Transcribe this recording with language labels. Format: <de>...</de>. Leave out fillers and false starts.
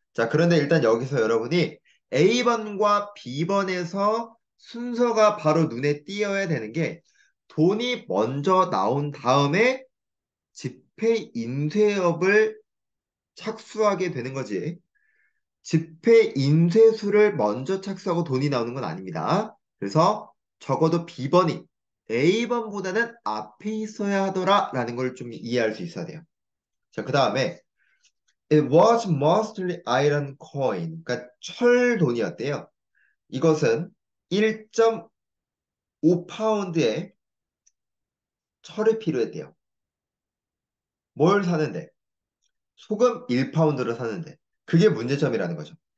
<ko>자, 그런데 일단 여기서 여러분이 A번과 B번에서 순서가 바로 눈에 띄어야 되는 게, 돈이 먼저 나온 다음에, 집회 인쇄업을 착수하게 되는 거지. 집회 인쇄술을 먼저 착수하고 돈이 나오는 건 아닙니다. 그래서 적어도 B번이 A번보다는 앞에 있어야 하더라라는 걸좀 이해할 수 있어야 돼요.</ko> <en>자, 그 다음에 It was mostly iron coin.</en> <ko>그러니까 철 돈이었대요. 이것은 1.5파운드의 철이 필요했대요. 뭘 사는데? 소금 1파운드를 사는데. 그게 문제점이라는 거죠.</ko>